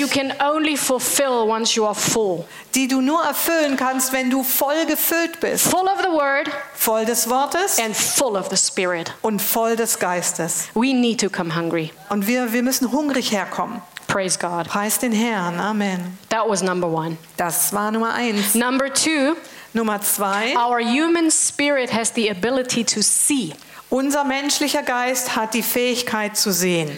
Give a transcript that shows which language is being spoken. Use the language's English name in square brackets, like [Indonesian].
[English] you can only fulfill once you are full, [German] die du nur erfüllen kannst, wenn du voll gefüllt bist. [English] Full of the word, [German] voll des Wortes [English] and full of the spirit, [German] und voll des Geistes. [English] We need to come hungry. [German] Und wir müssen hungrig herkommen. [English] Praise God. [German] Preist den Herrn. Amen. [English] That was number one. [German] Das war Nummer eins. [English] Number two. [German] Nummer zwei. [English] Our human spirit has the ability to see. [German] Unser menschlicher Geist hat die Fähigkeit zu sehen.